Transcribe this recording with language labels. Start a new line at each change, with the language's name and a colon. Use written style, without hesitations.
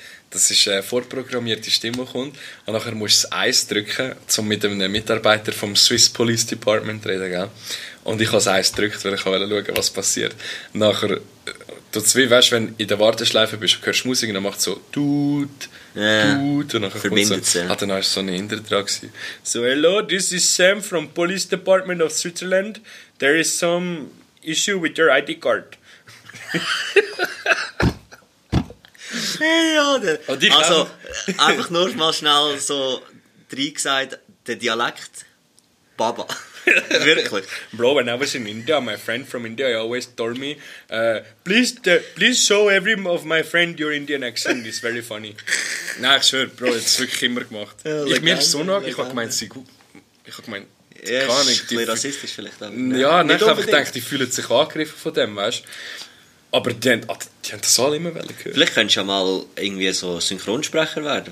German: Das ist eine vorprogrammierte Stimme kommt. Und nachher musst du das 1 drücken, um mit einem Mitarbeiter vom Swiss Police Department zu reden, gell? Und ich habe das 1 gedrückt, weil ich wollte schauen, was passiert. Nachher, du zwei, weißt, wenn du in der Warteschleife bist, hörst du Musik und dann macht es so, tut, tut. Und nachher verbindet so, ja. Dann war so ein Inder dran.
English: So, hello, this is Sam from Police Department of Switzerland. There is some issue with your ID card.
German: Hey, Alter. Und ich also, auch. Einfach nur mal schnell so drin gesagt, der Dialekt, Baba. Wirklich.
English: Bro, when I was in India, my friend from India, he always told me, please show every of my friend your Indian accent, it's very funny.
German: Nein, ich schwöre, Bro, das hat es wirklich immer gemacht. Ja, ich mir so nah, ich habe gemeint, sie gut. Ich habe gemeint, ja, kann ich. Ein bisschen die, rassistisch vielleicht. Aber, ja, nein, ich habe gedacht, die fühlen sich angegriffen von dem, weißt du. Aber die haben das alle immer gehört. Vielleicht könntest du ja mal irgendwie so Synchronsprecher werden.